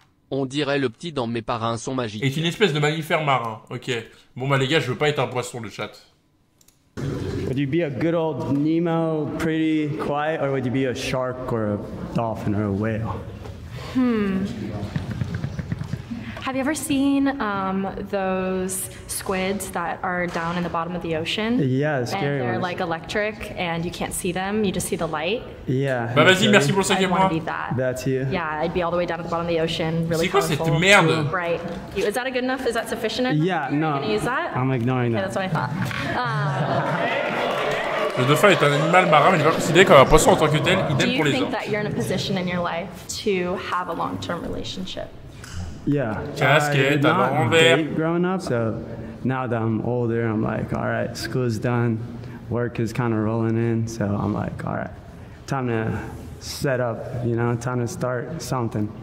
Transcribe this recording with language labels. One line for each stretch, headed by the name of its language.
French: On dirait le petit dans mes parrains sont magiques. Est une espèce de mammifère marin. Ok. Bon, bah les gars, je veux pas être un poisson, le chat.
English: Would you be a good old Nemo, pretty quiet, or would you be a shark, or a dolphin, or a whale? Have you ever seen those squids that are down in the bottom of the ocean? Yeah, scary. And they're like electric and you can't see them, you just see the light. Yeah.
French: Bah vas-y, merci pour le cinquième mois.
English: I'd want to be that. That's you. Yeah, I'd be all the way down at the bottom of the ocean, really colorful.
French: C'est quoi cette merde?
English: Right. Is that a good enough? Is that sufficient enough? Yeah, no. Are you gonna use that? I'm ignoring that. Okay, that's what I thought.
French: Le dauphin est un animal marin, mais il va considérer comme un poisson en tant que tel, idem pour les gens.
English: Do you think that you're in a position in your life to have a long-term relationship? Yeah,
French: casquette,
English: I did not date growing up, so now that I'm older, I'm like, all right, school is done, work is kind of rolling in, so I'm like, all right, time to set up, you know, time to start something.